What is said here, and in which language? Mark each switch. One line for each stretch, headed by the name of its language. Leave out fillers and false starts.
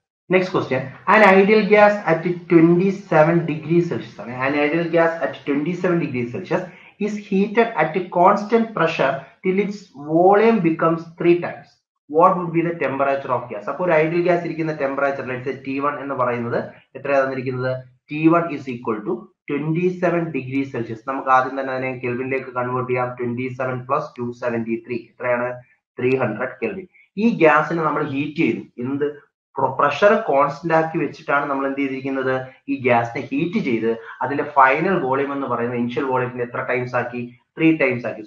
English: Next question, an ideal gas at 27 degree Celsius ആണ്. An ideal gas at 27 degree Celsius is heated at constant pressure till its volume becomes 3 times. What would be the temperature of gas?
Malayalam: അപ്പോൾ ഒരു ideal gas ഇരിക്കുന്ന temperature T one എന്ന് പറയുന്നത് എത്രയാ തന്നിരിക്കുന്നത്?
English: T1 is equal to 27 degree Celsius.
Malayalam: നമുക്ക് ആദ്യം തന്നെ അതിനെ കെൽവിനിലേക്ക് കൺവേർട്ട് ചെയ്യാം. 27 + 273 എത്രയാണ്? 300 കെൽവിൻ. ഈ ഗ്യാസിനെ നമ്മൾ ഹീറ്റ് ചെയ്തു, എന്ത് പ്രഷർ കോൺസ്റ്റന്റ് ആക്കി വെച്ചിട്ടാണ് നമ്മൾ എന്ത് ചെയ്തിരിക്കുന്നത്, ഈ ഗ്യാസിനെ ഹീറ്റ് ചെയ്ത് അതിന്റെ ഫൈനൽ വോളിയം എന്ന് പറയുന്നത് ഇനിഷ്യൽ വോളിയത്തിന് എത്ര ടൈംസ് ആക്കി, 3 times ആക്കി.